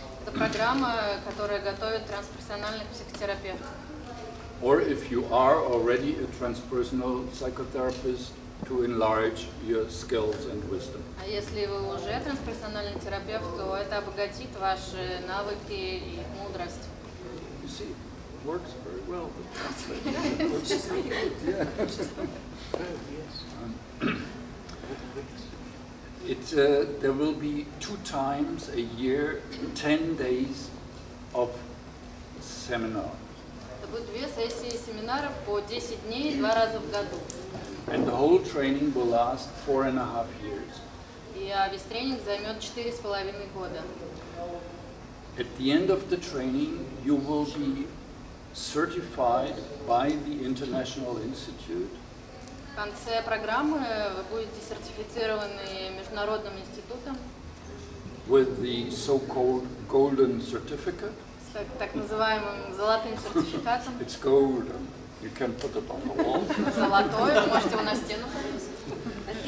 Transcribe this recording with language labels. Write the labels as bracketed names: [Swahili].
[Russian] Это программа, которая готовит трансперсональных психотерапевтов. [English] Or if you are already a transpersonal psychotherapist, to enlarge your skills and wisdom. [Russian] А если вы уже трансперсональный терапевт, то это обогатит ваши навыки и мудрость. [English] You see, it works very well. There will be two times a year, 10 days of seminar. [Russian] Это будет две сессии семинаров по 10 дней, два раза в году. [English] And the whole training will last 4.5 years. [Russian] И весь тренинг займет 4.5 года. [English] At the end of the training, you will be certified by the International Institute. [Russian] В конце программы вы будете сертифицированы международным институтом. [English] With the so-called golden certificate. [Russian] С так называемым золотым сертификатом. [English] It's golden. You can put it on the wall. [Russian] Золотое, можете его на стену повесить.